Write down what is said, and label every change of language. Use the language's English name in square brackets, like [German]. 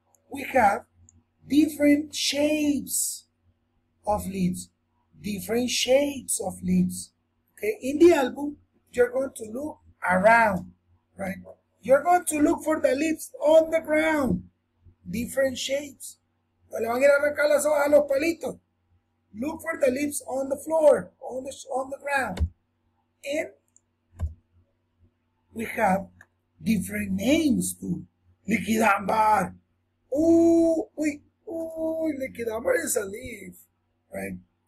[English] We have different shapes of leaves. Different shapes of leaves. Okay? In the album, you're going to look around, right? You're going to look for the leaves on the ground. Different shapes. [Spanish] Le van a ir a arrancar las hojas a los palitos. [English] Look for the leaves on the floor, on the ground. And we have different names too. Liquidambar. Liquidambar is a leaf, right?